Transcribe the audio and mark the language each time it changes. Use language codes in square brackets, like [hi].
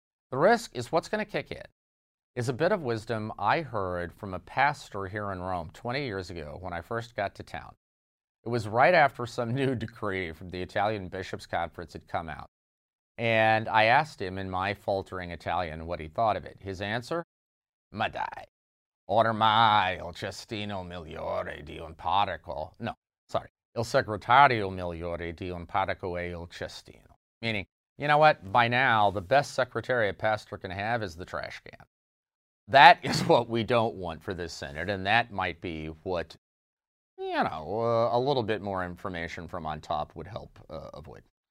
[en] The risk is what's going to kick in is a bit of wisdom I heard from a pastor here in Rome 20 years ago when I first got to town. It was right after some new decree from the Italian Bishops' Conference had come out. And I asked him in my faltering Italian what he thought of it. His answer, [it] ma dai, order mai il cestino migliore di un parroco. [en] No, sorry, [it] il segretario migliore di un parroco e il cestino. [en] Meaning, you know what, by now, the best secretary a pastor can have is the trash can. That is what we don't want for this synod, and that might be what, you know, a little bit more information from on top would help avoid.